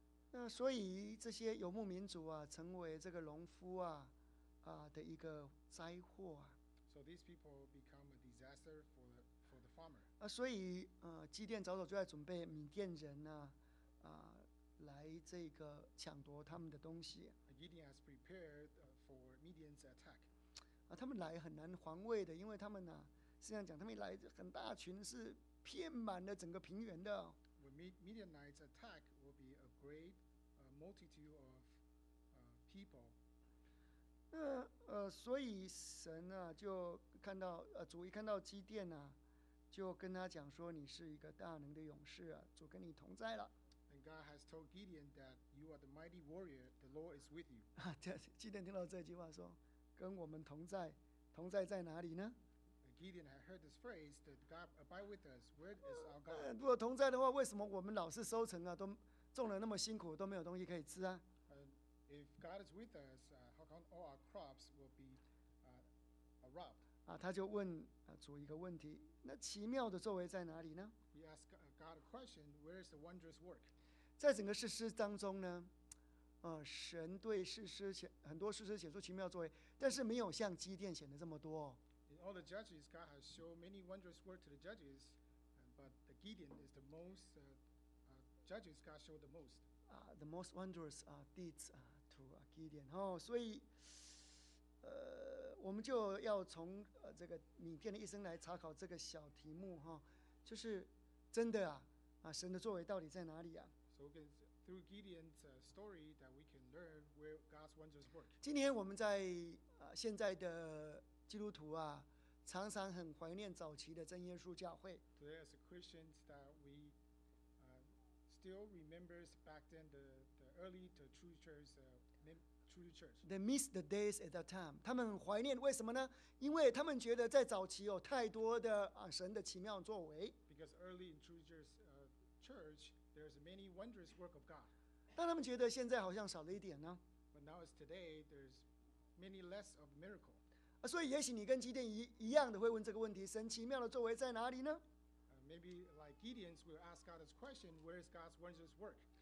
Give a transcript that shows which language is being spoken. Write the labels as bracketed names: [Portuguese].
[Chinese] 那所以这些游牧民族啊，成为这个农夫的一个灾祸啊。 [English] So these people become a disaster for the. [Chinese] 所以基甸早早就在准备米甸人呢，来这个抢夺他们的东西。 [English] Gideon has prepared for Midian's attack. [Chinese] 他们来很难防卫的，因为他们呢，实际上讲，他们来很大群，是遍满了整个平原的。 [English] When Midianites attack, will be a great multitude of people. [Chinese] 所以神啊，就看到主一看到基甸啊。就跟他讲说，你是一个大能的勇士啊，主跟你同在了。 [English] And God has told Gideon that you are the mighty warrior. The Lord is with you. [Chinese] 基甸听到这句话说，跟我们同在，同在在哪里呢？ [English] Gideon had heard this phrase that God abide with us. Where is our God? [Chinese] 如果同在的话，为什么我们老是收成啊？都种了那么辛苦，都没有东西可以吃啊 [English] ？If God is with us, how come all our crops will be robbed? [Chinese] 他就问主一个问题，那奇妙的作为在哪里呢？ [English] He asked God a question, where is the wondrous work? [Chinese] 在整个士师当中呢，神对士师很多士师显出奇妙作为，但是没有像基甸显得这么多。 [English] In all the judges, God has shown many wondrous work to the judges, but the Gideon is the most judges God showed the most. The most wondrous deeds to Gideon. [Chinese] 所以。我们就要从这个米甸的一生来查考这个小题目哈，就是真的神的作为到底在哪里啊 [English] ？So through Gideon's story that we can learn where God's wonders work. [Chinese] 今天我们在现在的基督徒啊，常常很怀念早期的真耶稣教会。 [English] Today as Christians that we still remembers back then the early to true churchThey miss the days at that time. [Chinese] 他们怀念，为什么呢？因为他们觉得在早期有太多的神的奇妙作为。 [English] Because early in true church, there's many wondrous work of God. [Chinese] 但他们觉得现在好像少了一点呢。 [English] But now as today, there's many less of miracle. [Chinese] 所以也许你跟基甸一样的会问这个问题：神奇妙的作为在哪里呢？ [English] Maybe like Gideon's, we'll ask God this question: Where is God's wondrous work?